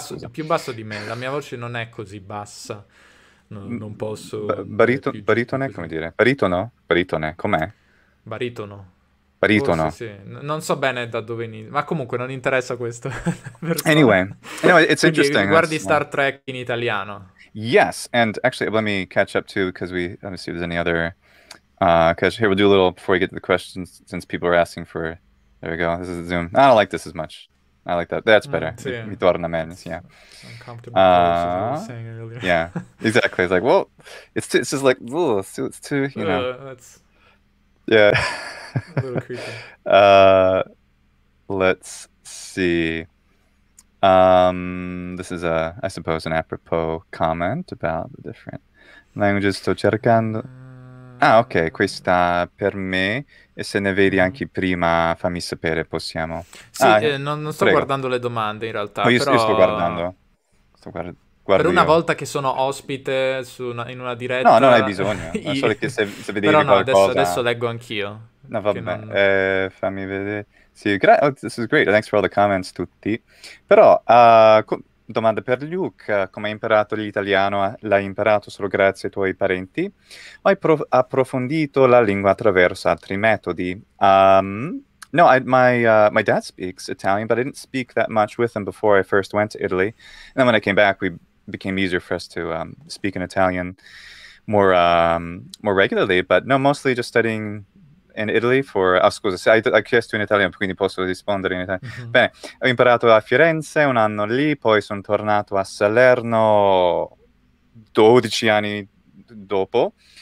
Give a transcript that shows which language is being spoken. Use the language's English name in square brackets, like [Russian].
[Italian] Più basso di me, la mia voce non è così bassa, non posso. Baritone, come dire? Baritono? Baritone, com'è? Baritono. Baritono. Forse, sì. Non so bene da dove inizia, ma comunque non interessa questo. [English] Anyway, it's interesting. [Italian] Guardi Star Trek in italiano. [English] Yes, and actually, let me catch up too, because let me see if there's any other, because here we'll do a little before we get to the questions, since people are asking for. There we go. This is Zoom. I don't like this as much. I like that. That's better. [Italian] Sì. Ritorna menis. Yeah. [English] Uncomfortable. Voice, yeah. Exactly. It's like, well, it's just like, it's too, you know. That's. Yeah. A little creepy. Let's see. This is an apropos comment about the different languages. [Italian] Sto cercando. Okay, questa per me, e se ne vedi anche prima, fammi sapere, possiamo. Sì, non sto guardando le domande in realtà, no, però io sto guardando. Per una volta che sono ospite in una diretta. No, non hai bisogno, è solo che se vedi però no, qualcosa. Adesso leggo anch'io. No, vabbè, fammi vedere. Sì, [English] this is great, thanks for all the comments tutti. [Italian] Però, domanda per Luke, come hai imparato l'italiano? L'hai imparato solo grazie ai tuoi parenti? O hai approfondito la lingua attraverso altri metodi? [English] My dad speaks Italian, but I didn't speak that much with him before I first went to Italy. And then when I came back, it became easier for us to speak in Italian more regularly. But no, mostly just studying in Italy for... [Italian] scusa, hai chiesto in italiano, quindi posso rispondere in italiano. Mm-hmm. Bene, ho imparato a Firenze un anno lì, poi sono tornato a Salerno 12 anni dopo.